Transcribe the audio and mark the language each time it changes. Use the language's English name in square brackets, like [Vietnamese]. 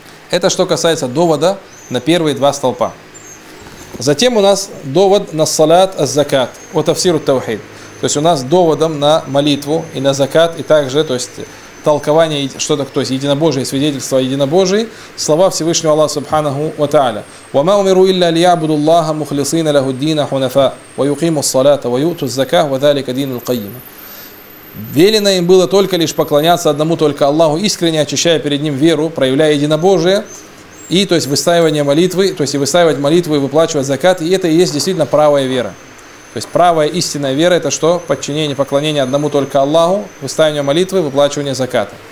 [Russian] Это что касается довода на первые два столпа. Затем у нас довод на салат аз-закат, у тафсиру тавхид. То есть у нас доводом на молитву и на закат, и также, то есть толкование, что такое, то есть единобожие, свидетельство о единобожии, слова Всевышнего Аллаха Субханаху ва Тааля. [Arabic] وما أمروا إلا ليعبدوا الله مخلصين له الدين حنفاء ويقيموا الصلاة ويؤتوا الزكاة وذلك دين القيم. [Russian] Велено им было только лишь поклоняться одному только Аллаху, искренне очищая перед ним веру, проявляя единобожие, и то есть выстаивание молитвы, то есть и выстаивать молитву и выплачивать закат, и это и есть действительно правая вера. То есть правая истинная вера – это что? Подчинение, поклонение одному только Аллаху, выставление молитвы, выплачивание заката.